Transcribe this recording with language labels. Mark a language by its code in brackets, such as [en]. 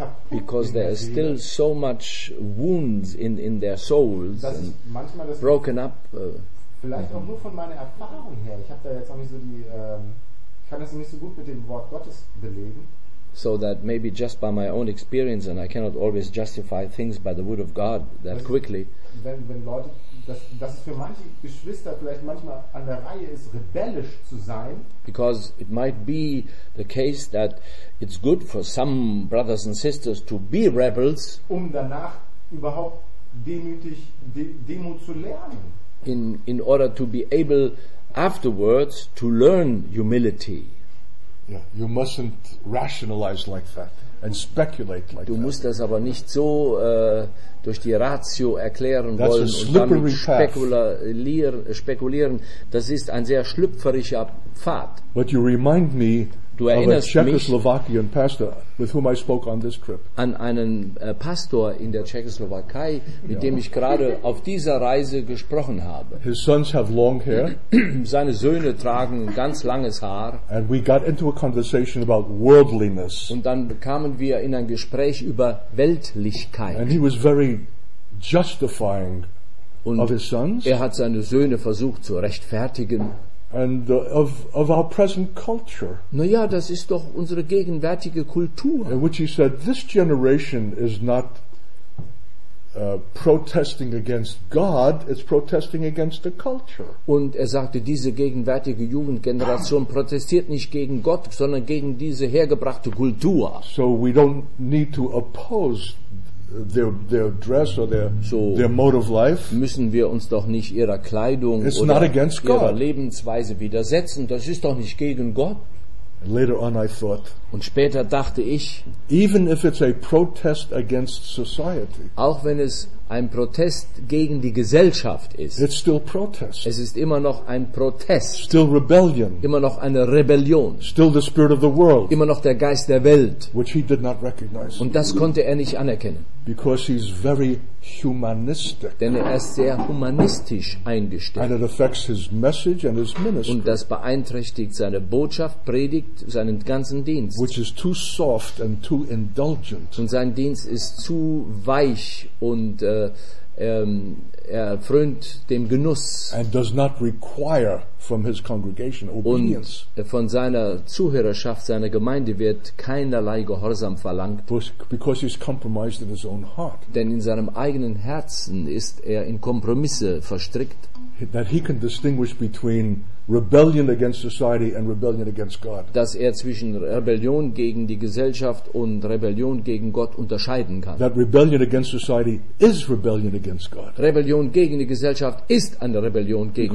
[en] Because there is still so much wounds in their souls and broken up. [de] Vielleicht auch nur von meiner Erfahrung her. Ich habe da jetzt auch nicht so die, ich kann das nicht so gut mit dem Wort Gottes belegen. [en] So that maybe just by my own experience and I cannot always justify things by the word of God that quickly. [de] Wenn Leute dass es für manche Geschwister vielleicht manchmal an der Reihe ist, rebellisch zu sein. [en] Because it might be the case that it's good for some brothers and sisters to be rebels. [de] Um danach überhaupt demütig Demut zu lernen. [en] In order to be able afterwards to learn humility. Yeah, you mustn't rationalize like that and speculate like that. [de] Du musst das aber nicht so durch die Ratio erklären [en] That's [de] wollen und damit spekulieren. Das ist ein sehr schlüpferischer Pfad. [en] But you remind me [de] du erinnerst [en] of a Czechoslovakian pastor with whom I spoke on this trip. [de] An einen Pastor in der Tschechoslowakei, mit dem ich gerade auf dieser Reise gesprochen habe. [en] His sons have long hair. [de] Seine Söhne tragen ganz langes Haar. [en] And we got into a conversation about worldliness. [de] Und dann kamen wir in ein Gespräch über Weltlichkeit. [en] And he was very justifying [de] und [en] of his sons. [de] Er hat seine Söhne versucht zu rechtfertigen. [en] And of our present culture. [de] Na ja, das ist doch unsere gegenwärtige Kultur. [en] In which he said, this generation is not protesting against God, it's protesting against the culture. [de] Und er sagte, diese gegenwärtige Jugendgeneration protestiert nicht gegen Gott, sondern gegen diese hergebrachte Kultur. [en] So we don't need to oppose their dress or their mode of life. [de] Müssen wir uns doch nicht ihrer Kleidung [en] It's [de] oder [en] not against [de] ihrer [en] God. [de] Lebensweise widersetzen. Das ist doch nicht gegen Gott. [en] And later on I thought, [de] und später dachte ich, [en] even if it's a protest against society, [de] auch wenn es ein Protest gegen die Gesellschaft ist, [en] it's still protest. [de] Es ist immer noch ein Protest. [en] Still rebellion. [de] Immer noch eine Rebellion. [en] Still the spirit of the world. [de] Immer noch der Geist der Welt. [en] Which he did not recognize. [de] Und das konnte er nicht anerkennen. [en] Because he's very humanistic. [de] Denn er ist sehr humanistisch eingestellt. [en] And it affects his message and his ministry. [de] Und das beeinträchtigt seine Botschaft, Predigt, seinen ganzen Dienst. [en] Which is too soft and too indulgent. [de] Und sein Dienst ist zu weich und er frönt dem Genuss [en] and does not require from his congregation obedience. [de] Und von seiner Zuhörerschaft, seiner Gemeinde wird keinerlei Gehorsam verlangt, [en] because he's compromised in his own heart. [de] Denn in seinem eigenen Herzen ist er in Kompromisse verstrickt. [en] That he can distinguish between rebellion against society and rebellion against God. [de] Dass er zwischen Rebellion gegen die Gesellschaft und Rebellion gegen Gott unterscheiden kann. [en] That rebellion against society is rebellion against God. [de] Rebellion gegen die Gesellschaft ist eine Rebellion gegen